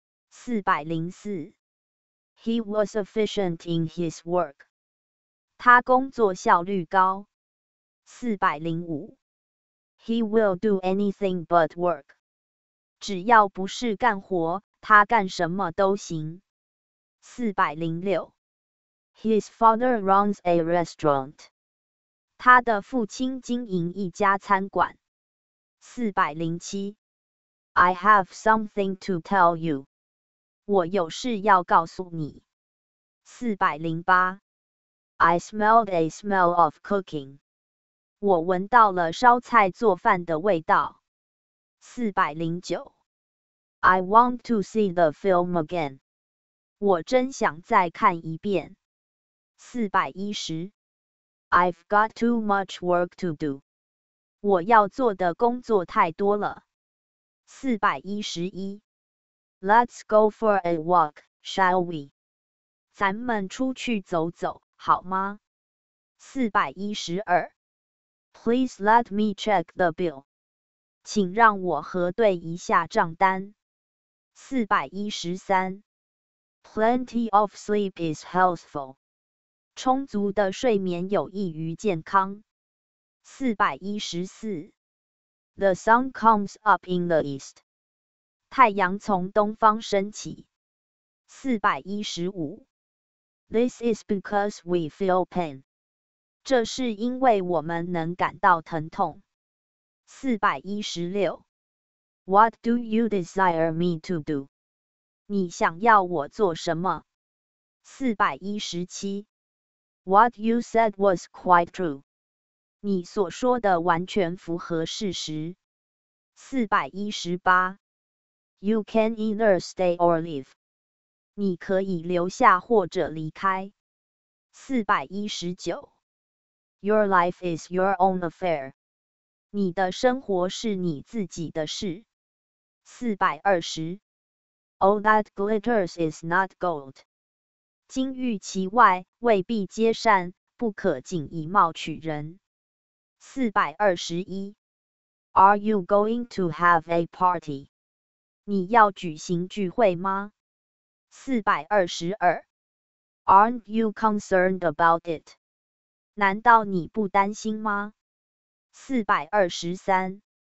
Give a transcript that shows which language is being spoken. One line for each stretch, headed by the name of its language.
Chinese: 404
English: He was efficient in his work.
Chinese: 他工作效率高。405
English: He will do anything but work.
Chinese: 只要不是干活，他干什么都行。 406
English: His father runs a restaurant.
Chinese: 他的父亲经营一家餐馆。 407
English: I have something to tell you.
Chinese: 我有事要告诉你。408
English: I smelled a smell of cooking.
Chinese: 我闻到了烧菜做饭的味道。 409
English: I want to see the film again.
Chinese: 我真想再看一遍。410
English: I've got too much work to do.
Chinese: 我要做的工作太多了。411
English: Let's go for a walk, shall we?
Chinese: 咱们出去走走，好吗？412
English: Please let me check the bill.
Chinese: 请让我核对一下账单。413
English: Plenty of sleep is healthful.
Chinese: 充足的睡眠有益于健康。414
English: The sun comes up in the east.
Chinese: 太阳从东方升起。415
English: This is because we feel pain.
Chinese: 这是因为我们能感到疼痛。 416
English: What do you desire me to do?
Chinese: 你想要我做什么？417
English: What you said was quite true.
Chinese: 你所说的完全符合事实。 418
English: You can either stay or leave.
Chinese: 你可以留下或者离开。419
English: Your life is your own affair.
Chinese: 你的生活是你自己的事。 420
English: All that glitters is not gold.
Chinese: 金玉其外未必皆善，不可仅以貌取人。 421
English: Are you going to have a party?
Chinese: 你要举行聚会吗？422
English: Aren't you concerned about it?
Chinese: 难道你不担心吗？423